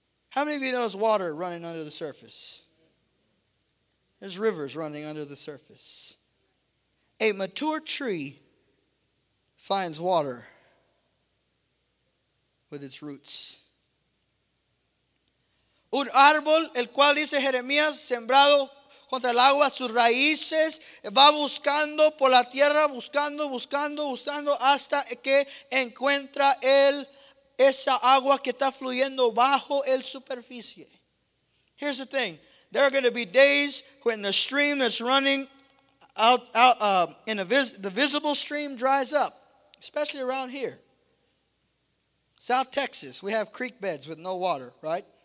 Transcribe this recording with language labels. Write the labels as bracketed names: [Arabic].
[English] How many of you know there's water running under the surface? There's rivers running under the surface. A mature tree finds water with its roots. [Spanish] Un árbol el cual dice Jeremías sembrado contra el agua sus raíces va buscando por la tierra buscando hasta que encuentra él esa agua que está fluyendo bajo el superficie. [English] Here's the thing. There are going to be days when the stream that's running the visible stream dries up, especially around here. South Texas, we have creek beds with no water, right?